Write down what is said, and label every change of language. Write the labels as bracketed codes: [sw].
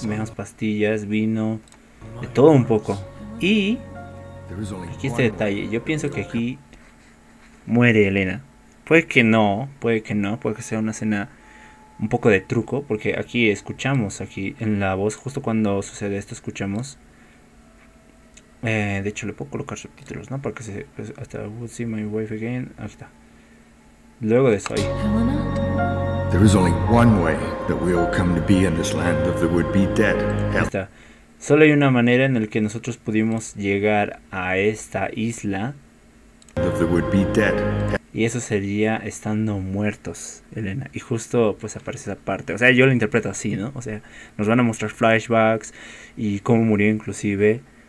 [es] Vemos pastillas, vino... De todo un poco. Y... Aquí este detalle. Yo pienso que aquí... Muere Elena. Puede que no, puede que no. Puede que sea una escena... Un poco de truco, porque aquí escuchamos, aquí en la voz, justo cuando sucede esto, escuchamos. De hecho, le puedo colocar subtítulos, ¿no? Porque se... Pues, hasta [en] we'll see my wife again. [es] Aquí está. Luego de eso, ahí. [en] There is only one way that we all come to be in this land of the would-be dead. [es] Ahí está. Solo hay una manera en la que nosotros pudimos llegar a esta isla. [en] Of the would-be dead. [es] Y eso sería estando muertos, Elena. Y justo pues aparece esa parte. O sea, yo lo interpreto así, ¿no? O sea, nos van a mostrar flashbacks y cómo murió inclusive.